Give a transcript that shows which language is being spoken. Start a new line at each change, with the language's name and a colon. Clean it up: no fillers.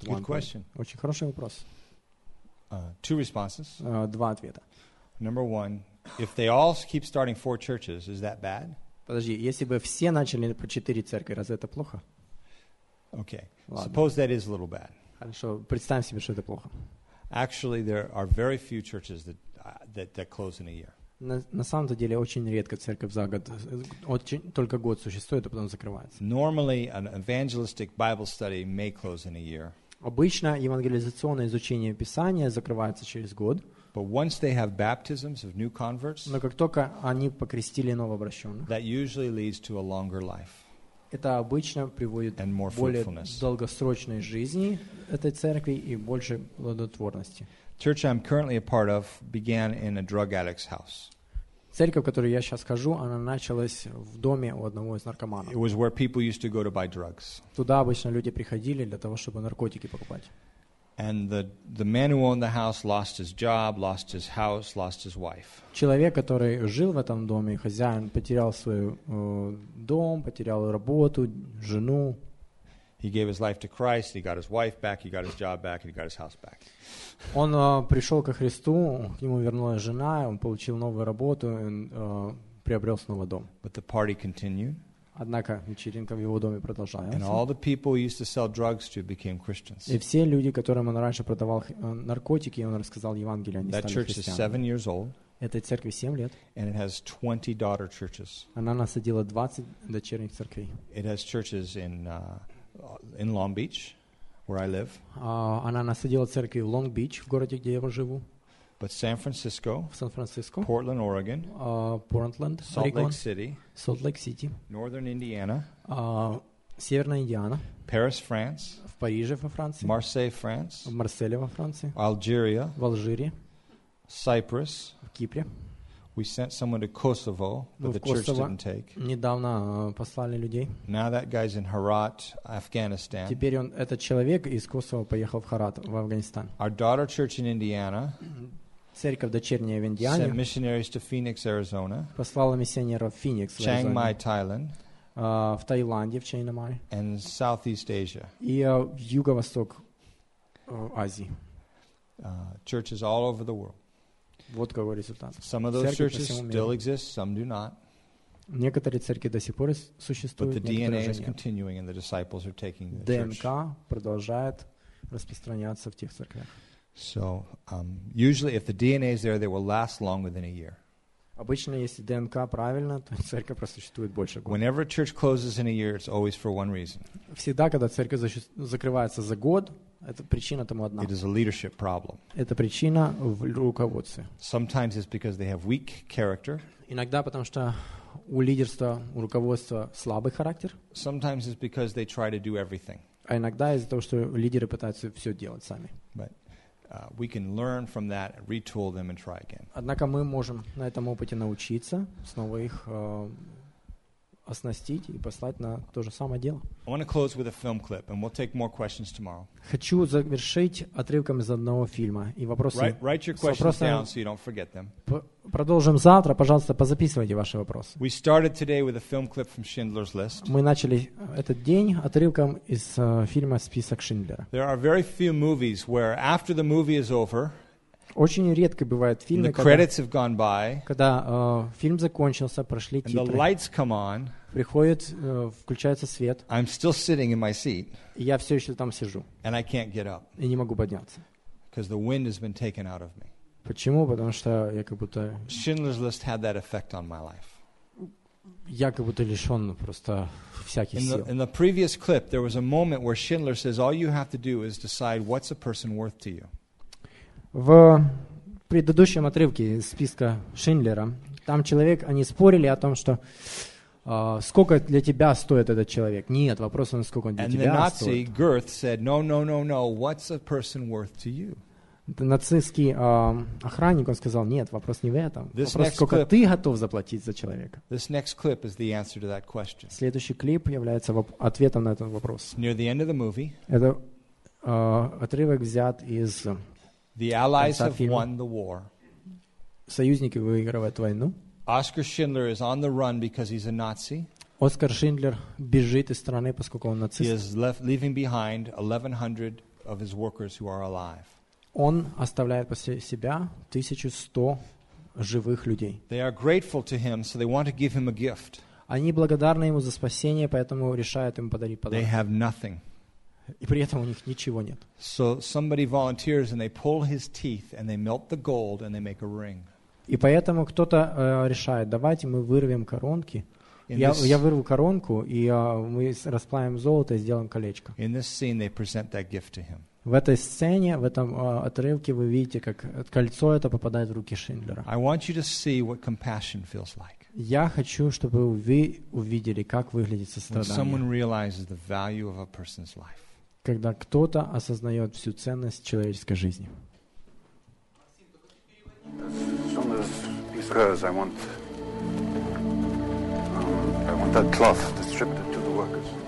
English: one point. Good question.
Russian: Очень хороший вопрос.
English: Two responses.
Russian: Два ответа.
English: Number one, if they all keep starting four churches, is that bad?
Russian: Подожди, если бы все начали по четыре церкви, разве это плохо?
English: Okay.
Russian: Ладно.
English: Suppose that is a little bad.
Russian: Хорошо, представим себе, что это плохо.
English: Actually, there are very few churches that close in a year.
Russian: На самом-то деле очень редко церковь за год, только год существует, а потом закрывается.
English: Normally, an evangelistic Bible study may close in a year.
Russian: Обычно евангелизационное изучение Писания закрывается через год.
English: But once they have baptisms of new converts,
Russian: но как только они покрестили новообращенных,
English: that usually leads to a longer life.
Russian: Это обычно приводит к более долгосрочной жизни этой церкви и больше плодотворности.
English: Church I'm currently a part of began in a drug addict's house.
Russian: Церковь, в которую я сейчас хожу, она началась в доме у одного из наркоманов.
English: It was where people used to go to buy drugs.
Russian: Туда обычно люди приходили для того, чтобы наркотики покупать.
English: And the man who owned the house lost his job, lost his house, lost his wife.
Russian: Человек, который жил в этом доме, хозяин, потерял свой дом, потерял работу, жену.
English: He gave his life to Christ, he got his wife back, he got his job back, and he got his house back.
Russian: Он пришел ко Христу, к нему вернулась жена, он получил новую работу, и приобрел снова дом.
English: But the party continued.
Russian: Однако вечеринка в его доме продолжалась.
English: And all the people he used to sell drugs to became Christians.
Russian: И все люди, которым он раньше продавал наркотики, и он рассказал Евангелие, они
English: that
Russian: стали христианами.
English: That church is 7 years old.
Russian: Этой церкви 7 лет.
English: And it has 20 daughter churches.
Russian: Она насадила 20 дочерних церквей.
English: It has churches in Long Beach, where I live.
Russian: Она насадила церкви в Long Beach, в городе, где я живу.
English: But San Francisco,
Russian: San Francisco,
English: Portland, Oregon,
Russian: Portland,
English: Salt
Russian: Oregon,
English: Lake City,
Russian: Salt Lake City,
English: Northern Indiana,
Russian: Северная Индиана,
English: Paris, France,
Russian: в Париже, во Франции,
English: Marseille, France,
Russian: в Марселе, во Франции,
English: Algeria,
Russian: в Алжире,
English: Cyprus,
Russian: в Кипре.
English: We sent someone to Kosovo, but the church didn't take.
Russian: Недавно послали людей.
English: Now that guy's in Herat, Afghanistan.
Russian: Теперь он этот человек из Косово поехал в Херат, в Афганистан.
English: Our daughter church in Indiana.
Russian: Церковь дочерняя в Индиане.
English: Sent missionaries to Phoenix, Arizona.
Russian: Послала миссионеров в Феникс, Аризона.
English: Chiang Mai, Thailand.
Russian: В Таиланде, в Chiang Mai.
English: And Southeast Asia.
Russian: И в Юго-Восток Азии.
English: Churches all over the world.
Russian: Вот какой результат.
English: Some of those церкви churches still exist, some do not.
Russian: Некоторые церкви до сих пор существуют,
English: but the DNA is continuing and the disciples are taking the
Russian: ДНК
English: church.
Russian: Продолжает распространяться в тех церквях.
English: So, usually if the DNA is there, they will last longer than a year.
Russian: Обычно, если ДНК правильно, то церковь просуществует больше года.
English: Whenever a church closes in a year, it's always for one reason.
Russian: Всегда, когда церковь закрывается за год, это причина тому одна.
English: It is a leadership problem.
Russian: Это причина в руководстве.
English: Sometimes it's because they have weak character.
Russian: Иногда потому что у лидерства, у руководства слабый характер.
English: Sometimes it's because they try to do everything.
Russian: А иногда из-за того, что лидеры пытаются все делать сами.
English: But we can learn from that, retool them, and try again.
Russian: Однако мы можем на этом опыте научиться снова их оснастить и послать на то же самое дело.
English: I want to close with a film clip, and we'll take more questions tomorrow.
Russian: Хочу завершить отрывком из одного фильма и вопросы.
English: Write your questions down so you don't forget them.
Russian: продолжим завтра. Пожалуйста, позаписывайте ваши вопросы.
English: We started today with a film clip from Schindler's List.
Russian: Мы начали этот день отрывком из фильма «Список Шиндлера».
English: There are very few movies where after the movie is over,
Russian: очень редко бывают фильмы,
English: the credits have gone by,
Russian: когда фильм закончился, прошли титры,
English: and the lights come on,
Russian: приходит, включается свет,
English: I'm still sitting in my seat,
Russian: и я все еще там сижу,
English: and I can't get up,
Russian: и не могу подняться.
English: Because the wind has been taken out of me.
Russian: Почему? Потому что я как будто.
English: Schindler's List had that effect on my life.
Russian: Я как будто лишён просто всяких сил.
English: In the previous clip, there was a moment where Schindler says, "All you have to do is decide what's a person worth to you."
Russian: В предыдущем отрывке из списка Шиндлера там человек, они спорили о том, что сколько для тебя стоит этот человек? Нет, вопрос, насколько он для
English: and
Russian: тебя
English: Nazi
Russian: стоит.
English: And the Nazi Girth said, no. What's a person worth to you?
Russian: Нацистский охранник, он сказал, нет, вопрос не в этом.
English: This
Russian: вопрос, сколько
English: clip,
Russian: ты готов заплатить за человека?
English: This next clip is the answer to that question.
Russian: Следующий клип является ответом на этот вопрос.
English: Near the end of the movie.
Russian: Это отрывок взят из
English: The Allies have won the war.
Russian: Союзники выигрывают войну.
English: Oscar Schindler is on the run because he's a Nazi.
Russian: Оскар Шиндлер бежит из страны, поскольку он нацист.
English: He is leaving behind 1,100 of his workers who are alive.
Russian: Он оставляет после себя 1,100 живых людей.
English: They are grateful to him, so they want to give him a gift.
Russian: Они благодарны ему за спасение, поэтому решают ему подарить подарок.
English: They have nothing.
Russian: И при этом у них ничего нет.
English: So somebody volunteers and they pull his teeth and they melt the gold and they make a ring.
Russian: И поэтому кто-то решает, давайте мы вырвем коронки. Я вырву коронку, и мы расплавим золото и сделаем колечко.
English: In this scene they present that gift to him.
Russian: В этой сцене, в этом отрывке вы видите, как кольцо это попадает в руки Шиндлера.
English: I want you to see what compassion feels like.
Russian: Я хочу, чтобы вы увидели, как выглядит сострадание.
English: When someone realizes the value of a person's life.
Russian: Когда кто-то осознает всю ценность человеческой жизни.
English: Because I want that cloth distributed to the workers.